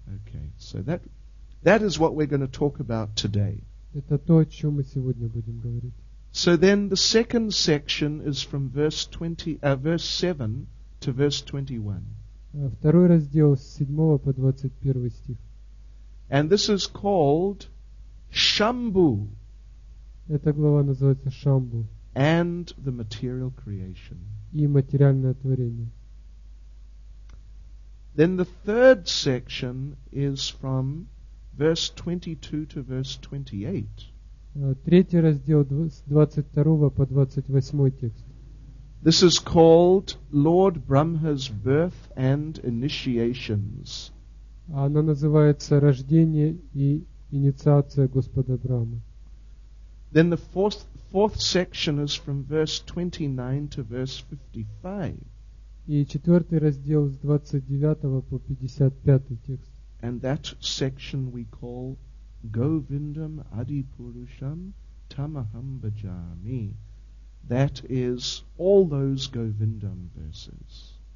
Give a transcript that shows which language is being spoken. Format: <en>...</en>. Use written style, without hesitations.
<en>Okay, so that is what we're going to talk about today.</en> <ru>Это то, о чем мы сегодня будем говорить.</ru> <en>So then the second section is from verse 7 to verse 21.</en> <ru>Второй раздел с 7 по 21 стих.</ru> <en>And this is called Shambhu.</en> <ru>Эта глава называется Шамбу.</ru> <en>And the material creation.</en> <ru>И материальное творение.</ru> <en>Then the third section is from verse 22 to verse 28.</en> <ru>Третий раздел с 22 по 28 текст.</ru> <en>This is called Lord Brahma's birth and initiations.</en> <ru>Она называется рождение и инициация Господа Брахмы.</ru> <en>Then the fourth section is from verse 29 to verse 55.</en> <ru>И четвертый раздел с 29 по 55 текст.</ru> <en>And that section we call Govindam Adipurusham Tamaham Bhajami. That is all those Govindam verses.</en>